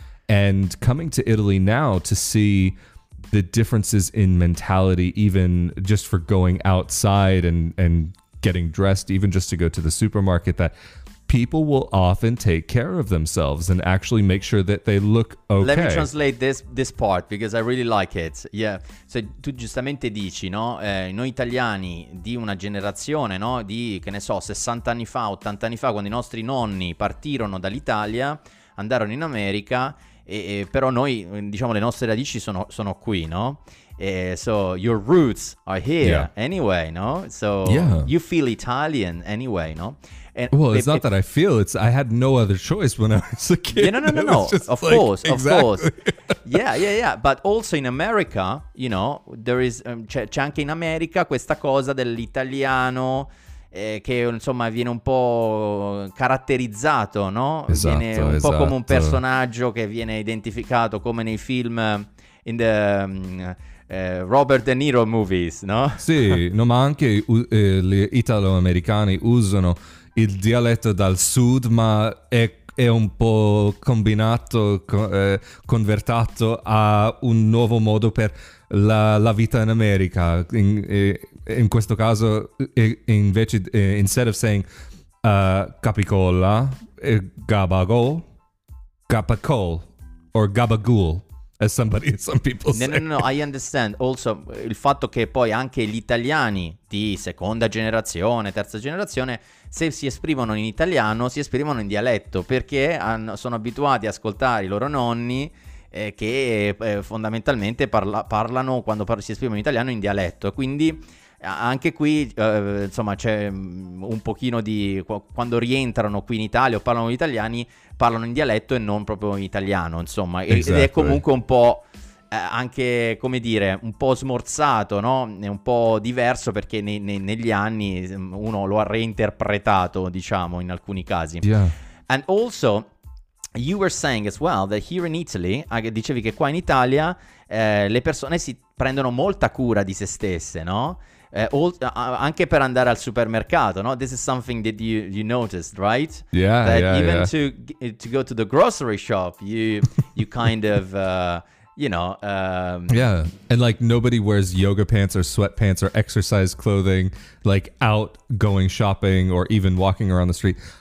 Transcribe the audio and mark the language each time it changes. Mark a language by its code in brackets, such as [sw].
[en] And coming to Italy now to see the differences in mentality, even just for going outside and getting dressed, even just to go to the supermarket, that people will often take care of themselves and actually make sure that they look okay. Let me translate this part because I really like it. Yeah. [it] So tu giustamente dici, no? Noi italiani di una generazione, no? Di, che ne so, 60 anni fa, 80 anni fa, quando i nostri nonni partirono dall'Italia, andarono in America, e però noi, diciamo, le nostre radici sono qui, no? [en] So your roots are here anyway, no? So you feel Italian anyway, no? And well, it's not that I feel, it's I had no other choice when I was a kid. Yeah, no. Of like, course, exactly. Of course. Yeah. But also in America, you know, there is [it] c'è anche in America questa cosa dell'italiano che insomma viene un po' caratterizzato, no? Esatto, viene un esatto. po' come un personaggio che viene identificato come nei film [en] in the Robert De Niro movies, [it] no? Sì, no, ma anche gli italo-americani usano il dialetto dal sud, ma è un po' combinato, convertato a un nuovo modo per la vita in America. [en] In questo caso, invece, instead of saying capicola, gabagol, capicol, or gabagool, as somebody, some people say. No, I understand. [it] Also, il fatto che poi anche gli italiani di seconda generazione, terza generazione, se si esprimono in italiano, si esprimono in dialetto, perché sono abituati a ascoltare i loro nonni che fondamentalmente parlano, quando si esprimono in italiano, in dialetto. Quindi anche qui, insomma, c'è un pochino di... quando rientrano qui in Italia o parlano gli italiani, parlano in dialetto e non proprio in italiano, insomma. [en] Exactly. [it] Ed è comunque un po', anche, come dire, un po' smorzato, no? È un po' diverso perché negli anni uno lo ha reinterpretato, diciamo, in alcuni casi. [en] Yeah. And also, you were saying as well that here in Italy, [it] dicevi che qua in Italia le persone si prendono molta cura di se stesse, no? Anche per andare al supermercato, no? [en] This is something that you noticed, right? Yeah. To go to the grocery shop, you kind of, you know. Yeah, and like nobody wears yoga pants or sweatpants or exercise clothing, like out going shopping or even walking around the street.